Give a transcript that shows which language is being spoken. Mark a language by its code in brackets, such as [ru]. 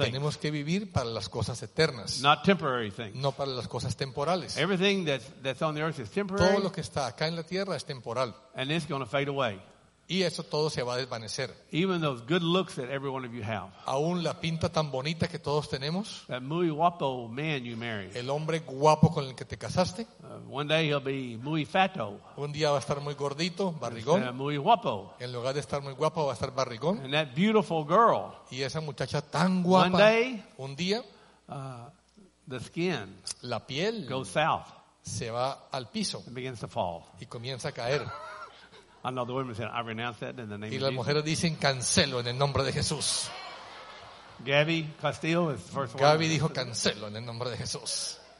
[es] Y tenemos que vivir para las cosas eternas. [en] Not temporary things. [es] No para las cosas temporales. [en] Everything that's on the earth is temporary. [es] Todo lo que está acá en la tierra es temporal. [en] And it's going to fade away. [es] Y eso todo se va a desvanecer. [en] Even those good looks that every one of you have. [es] Aún la pinta tan bonita que todos tenemos. [en] That [es] muy guapo [en] man you married. [es] El hombre guapo con el que te casaste. [en] One day he'll be [es] muy fatto. Un día va a estar muy gordito, barrigón. Muy guapo. En lugar de estar muy guapo va a estar barrigón. [en] And that beautiful girl. [es] Y esa muchacha tan guapa. [en] One day. [es] Un día. [en] The skin [es] la piel [en] goes south. [es] Se va al piso. [en] And begins to fall. [es] Y comienza a caer. [en] I know the women said, I renounce that in the name of Jesus. [es] Y las mujeres dicen, cancelo en el nombre de Jesús. [en] Gabby Castillo is the first one. [es] Gabby dijo, cancelo en el nombre de Jesús.